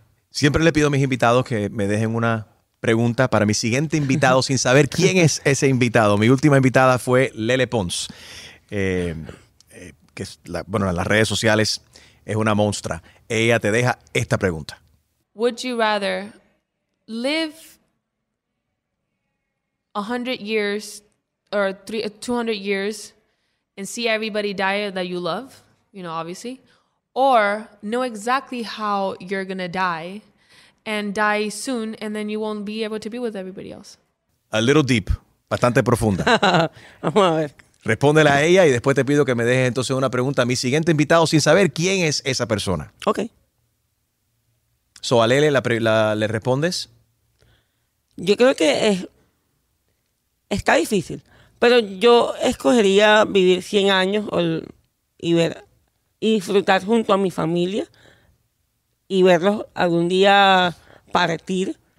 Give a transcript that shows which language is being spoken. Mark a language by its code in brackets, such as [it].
[es] Siempre le pido a mis invitados que me dejen una pregunta para mi siguiente invitado sin saber quién es ese invitado. Mi última invitada fue Lele Pons, que es en las redes sociales es una monstrua. Ella te deja esta pregunta. [en] Would you rather live 100 years or 200 years and see everybody die that you love, you know, obviously, or know exactly how you're going to die and die soon, and then you won't be able to be with everybody else? A little deep, [es] bastante profunda. Vamos a ver. Respóndela a ella y después te pido que me dejes entonces una pregunta a mi siguiente invitado sin saber quién es esa persona. Ok. So, a Lele, ¿le respondes? Yo creo que está difícil, pero yo escogería vivir 100 años y disfrutar junto a mi familia y verlos algún día partir.